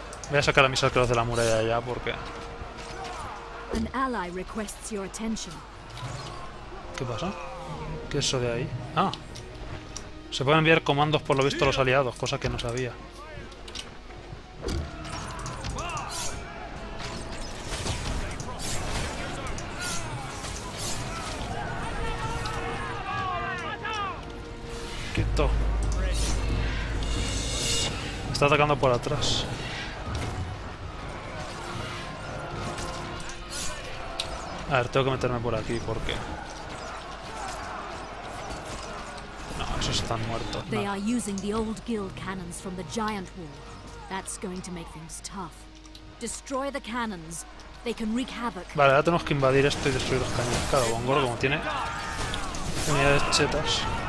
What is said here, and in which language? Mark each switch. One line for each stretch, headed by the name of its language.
Spanish: Voy a sacar a mis arqueros de la muralla ya porque...
English: An ally requests your attention.
Spanish: ¿Qué pasa? ¿Qué es eso de ahí? Ah. Se pueden enviar comandos por lo visto a los aliados, cosa que no sabía. Quieto. Me está atacando por atrás. A ver, tengo que meterme por aquí, porque... No, esos están muertos.
English: They are using the old guild cannons from the giant wall. That's going to make things tough. Destroy the cannons. They can wreak havoc.
Spanish: Vale, ahora tenemos que invadir esto y destruir los cañones. Claro, Bongoro, como tiene unidades chetas.